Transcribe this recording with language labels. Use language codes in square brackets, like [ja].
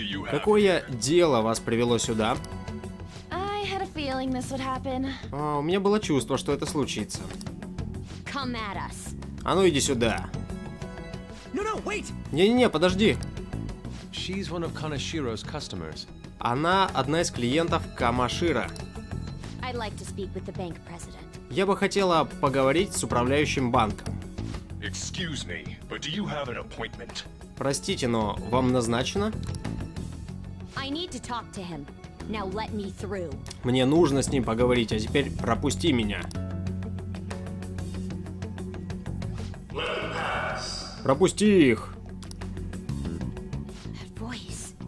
[ru] Какое дело вас привело сюда? У меня было чувство, что это случится. [en] Come at us. [ru] А ну иди сюда. Не-не-не, подожди. [en] She's one of Kanashiro's customers. [ru] Она одна из клиентов Камашира. [en] I'd like to speak with the bank president. [ru] Я бы хотела поговорить с управляющим банком. [en] Excuse me, but do you have an appointment? [ru] Простите, но вам назначено? [en] I need to talk to him. Now let me through. [ru] Мне нужно с ним поговорить, а теперь пропусти меня. [en] Let him pass. [ru] Пропусти их. [en] That voice.